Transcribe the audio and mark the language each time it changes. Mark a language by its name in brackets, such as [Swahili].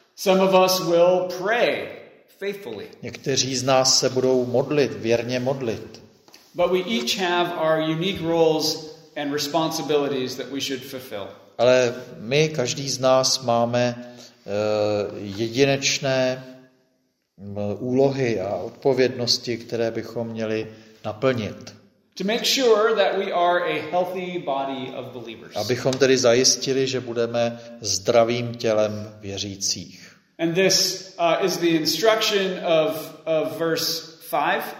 [English] Some of us will pray faithfully. [Czech] Někteří z nás se budou modlit, věrně modlit. [English] But we each have our unique roles and responsibilities that we should fulfill. [Czech] Ale my každý z nás máme jedinečné úlohy a odpovědnosti, které bychom měli naplnit. [English] To make sure that we are a healthy body of believers. [Czech] Abychom tedy zajistili, že budeme zdravým tělem věřících. [English] And this is the instruction of verse 5.